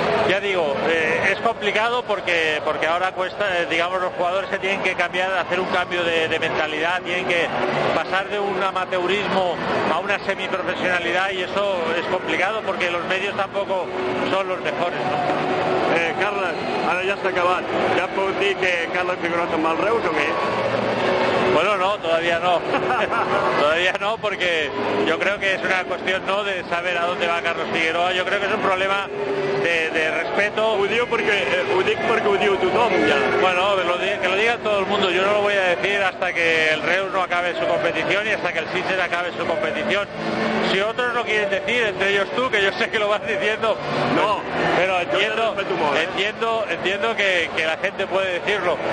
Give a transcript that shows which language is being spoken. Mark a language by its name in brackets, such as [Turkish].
[Spanish] Ya digo, es complicado porque ahora cuesta, digamos, los jugadores se tienen que cambiar, hacer un cambio de mentalidad, tienen que pasar de un amateurismo a una semiprofesionalidad y eso es complicado porque los medios tampoco son los mejores, ¿no? [Catalan] Carles, ara ja s'ha acabat. Ja puc dir que Carles Figueroa te'n va al Reus o què? [Spanish] Bueno, no, todavía no. Todavía no, porque yo creo que es una cuestión no de saber a dónde va Carles Figueroa. Yo creo que es un problema de respeto. [Catalan] Ho dic perquè ho diu tothom, ja. [Spanish] Bueno, que lo diga todo el mundo. Yo no lo voy a decir hasta que el Reus no acabe su competición y hasta que el Sitges acabe su competición. Si otros lo quieren decir, entre ellos tú, que yo sé que lo vas diciendo... No, pero entiendo, entiendo que la gente puede decirlo.